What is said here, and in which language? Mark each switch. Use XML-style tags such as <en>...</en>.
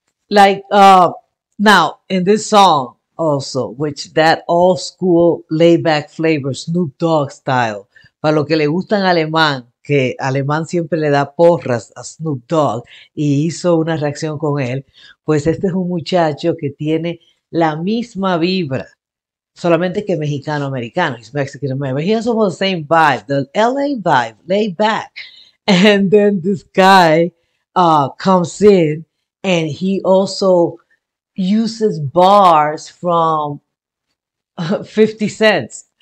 <en>Like, now, in this song also, which that old school lay back flavor, Snoop Dogg style.</en> <es>Para lo que le gustan alemán, que alemán siempre le da porras a Snoop Dogg y hizo una reacción con él, pues este es un muchacho que tiene la misma vibra. Solamente que mexicano-americano,</es> <en>he's Mexican-American. He has almost the same vibe, the LA vibe, lay back. And then this guy comes in and he also uses bars from 50 Cent.</en>